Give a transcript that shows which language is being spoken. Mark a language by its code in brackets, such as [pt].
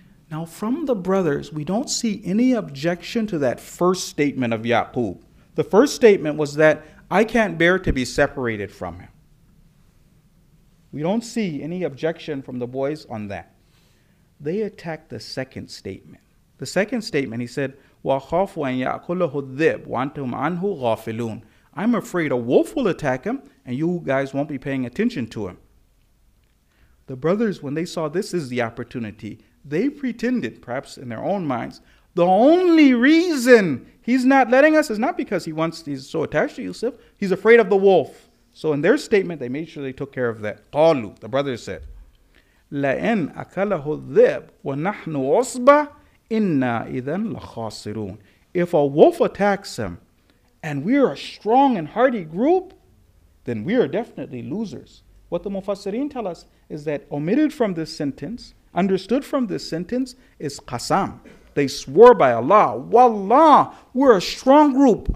[en] Now from the brothers, we don't see any objection to that first statement of Yaqub. The first statement was that I can't bear to be separated from him. We don't see any objection from the boys on that. They attacked the second statement. The second statement, he said, [ar] وَخَافُ أَنْ يَأْكُلَهُ الذِّبُ وَأَنْتُمْ عَنْهُ غَافِلُونَ. [en] I'm afraid a wolf will attack him and you guys won't be paying attention to him. The brothers, when they saw this is the opportunity, they pretended, perhaps in their own minds, the only reason he's not letting us is not because he's so attached to Yusuf, he's afraid of the wolf. So in their statement, they made sure they took care of that. [ar] قالوا, [en] the brothers said, [ar] لَأَنْ أَكَلَهُ الذِّبْ وَنَحْنُ عُصْبَ إِنَّا إِذَنْ لَخَاسِرُونَ. [en] If a wolf attacks him, and we are a strong and hardy group, then we are definitely losers. What the Mufassirin tell us is that omitted from this sentence, understood from this sentence, is qasam. They swore by Allah, wallah, we're a strong group.